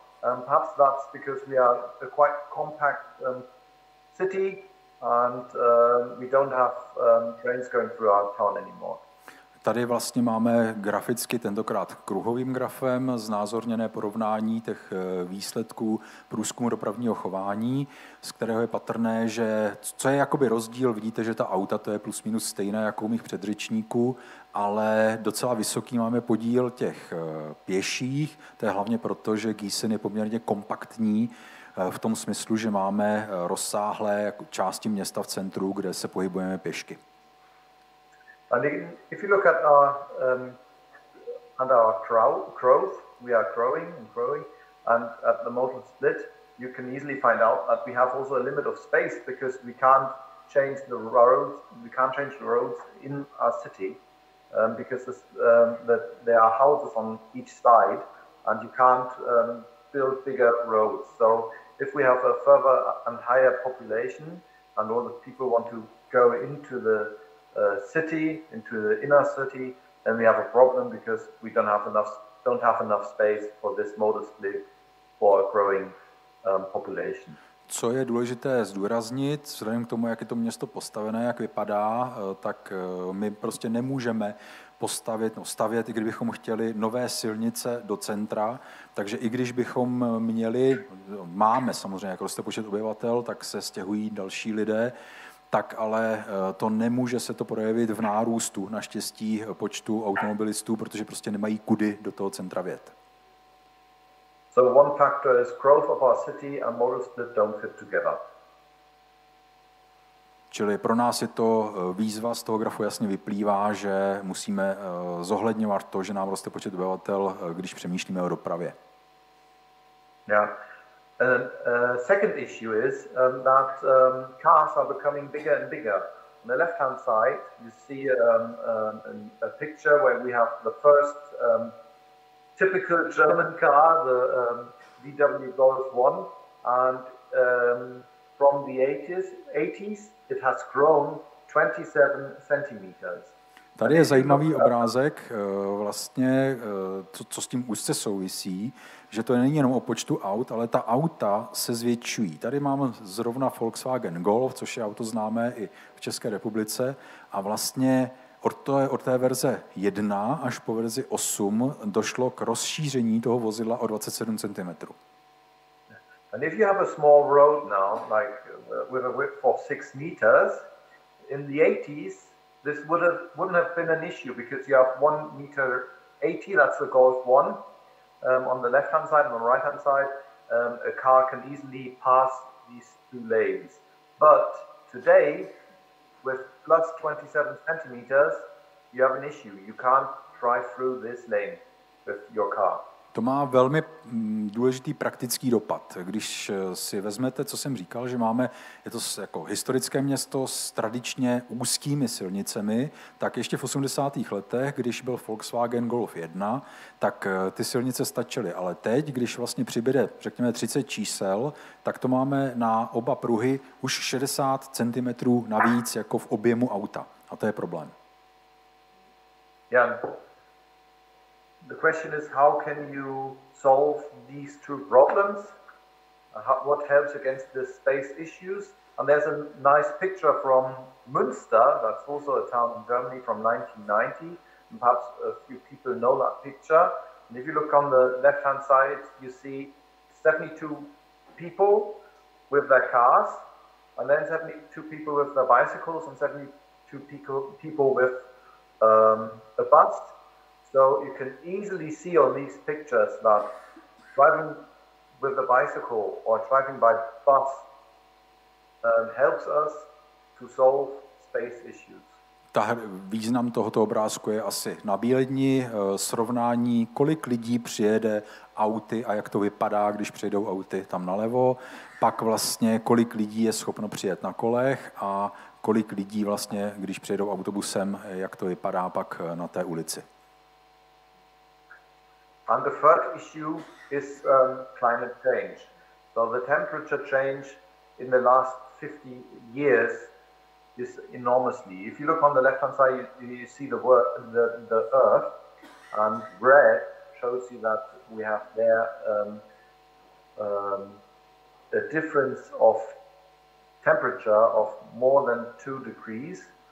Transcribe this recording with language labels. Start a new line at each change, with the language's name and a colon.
English: Perhaps that's because we are a quite compact city, and we don't have trains going through our town anymore.
Czech: Tady vlastně máme graficky tentokrát kruhovým grafem znázorněné porovnání těch výsledků průzkumu dopravního chování, z kterého je patrné, že co je jakoby rozdíl, vidíte, že ta auta, to je plus minus stejné jako u mých předřečníků, ale docela vysoký máme podíl těch pěších, to je hlavně proto, že Gießen je poměrně kompaktní v tom smyslu, že máme rozsáhlé části města v centru, kde se pohybujeme pěšky.
English: And if you look at our and our growth, we are growing and growing, and at the modal split, you can easily find out that we have also a limit of space because we can't change the roads. We can't change the roads in our city because that there are houses on each side, and you can't build bigger roads. So if we have a further and higher population, and all the people want to go into the city, into the inner city, then we have a problem because we don't have enough space for this modal split for a growing population.
Czech: Co je důležité zdůraznit, vzhledem k tomu, jak je to město postavené, jak vypadá, tak my prostě nemůžeme stavět, i kdybychom chtěli nové silnice do centra, takže i když bychom měli, máme samozřejmě, jak roste počet obyvatel, tak se stěhují další lidé, tak ale to nemůže se to projevit v nárůstu naštěstí počtu automobilistů, protože prostě nemají kudy do toho centra vjet.
English: So one factor is growth of our city and modal split don't fit together.
Czech: Čili pro nás je to výzva, z toho grafu jasně vyplývá, že musíme zohledňovat to, že nám roste počet obyvatel, když přemýšlíme o dopravě.
English: Yeah. Second issue is that cars are becoming bigger and bigger. On the left-hand side, you see a picture where we have the first typical German car, the VW Golf 1, and from the 80s, it has grown 27 centimeters.
Czech: Tady je zajímavý obrázek, vlastně, co s tím úzce souvisí, že to není jenom o počtu aut, ale ta auta se zvětšují. Tady mám zrovna Volkswagen Golf, což je auto známé i v České republice, a vlastně od té verze 1 až po verzi 8 došlo k rozšíření toho vozidla o 27 cm.
English: And if you have a small road now, like with a width of 6 meters, in the 80s, this wouldn't have been an issue because you have 1.80 meters, that's the Golf 1, on the left-hand side and on the right-hand side, a car can easily pass these two lanes. But today, with plus 27 centimeters, you have an issue. You can't drive through this lane with your car.
Czech: To má velmi důležitý praktický dopad. Když si vezmete, co jsem říkal, že máme, je to jako historické město s tradičně úzkými silnicemi, tak ještě v 80. letech, když byl Volkswagen Golf 1, tak ty silnice stačily. Ale teď, když vlastně přibude, řekněme, 30 čísel, tak to máme na oba pruhy už 60 cm navíc jako v objemu auta. A to je problém. Jan.
English: The question is, how can you solve these two problems? What helps against the space issues? And there's a nice picture from Münster, that's also a town in Germany from 1990, and perhaps a few people know that picture. And if you look on the left-hand side, you see 72 people with their cars, and then 72 people with their bicycles, and 72 people with a bus. So you can easily see on these pictures that driving with a bicycle or driving by bus helps us to solve space issues.
Czech: Význam tohoto obrázku je asi na bílední srovnání, kolik lidí přijede auty a jak to vypadá, když přijedou auty tam nalevo, pak vlastně kolik lidí je schopno přijet na kolech a kolik lidí vlastně, když přijedou autobusem, jak to vypadá pak na té ulici.
English: And the third issue is climate change. So the temperature change in the last 50 years is enormously. If you look on the left-hand side, you see the Earth, and red shows you that we have there a difference of temperature of more than 2 degrees.